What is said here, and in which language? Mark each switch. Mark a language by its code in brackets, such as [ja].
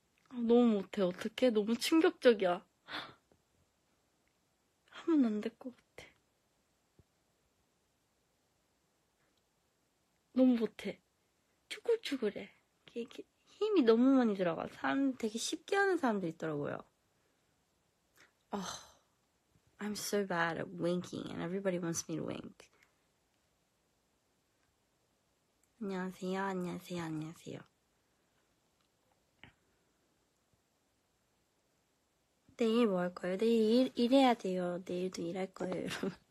[ko] 너무 못해. 어떡해? 너무 충격적이야. 하면 안 될 것 같아. 너무 못해. 쭈글쭈글해. 이렇게 힘이 너무 많이 들어가. 사람 되게 쉽게 하는 사람도 있더라고요. [en] Oh, I'm so bad at winking and everybody wants me to wink. [ko] 안녕하세요, 안녕하세요, 안녕하세요. 내일 뭐 할 거예요? 내일 일해야 돼요. 내일도 일할 거예요, 여러분.